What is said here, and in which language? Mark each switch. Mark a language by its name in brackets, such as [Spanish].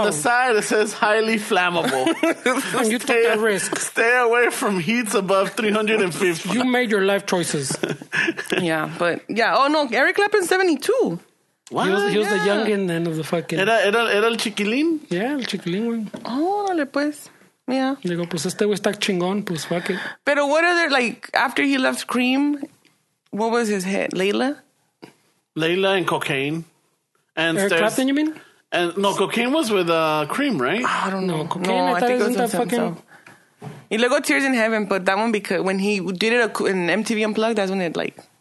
[English] On the side, it says highly flammable. And you took that risk. Stay away from heats above 350. You made your life choices. Yeah, but yeah. Oh, no. Eric Clapton's 72. What? He was the youngin' then of the fucking. [Spanish] Era el chiquilín? Yeah, el chiquilín, güey. Oh, dale, pues. Yeah. Digo, pues este güey está chingón, pues [English] fuck it. Pero what other, like, after he left Cream, what was his hit? Layla? Layla and cocaine. And Eric Clapton, you mean? And no, cocaine was with Cream, right? I don't know. Cocaine, I think it was with that fucking. [Spanish] Y luego [English] Tears in Heaven, but that one, because when he did it in MTV Unplugged, that's when it, like.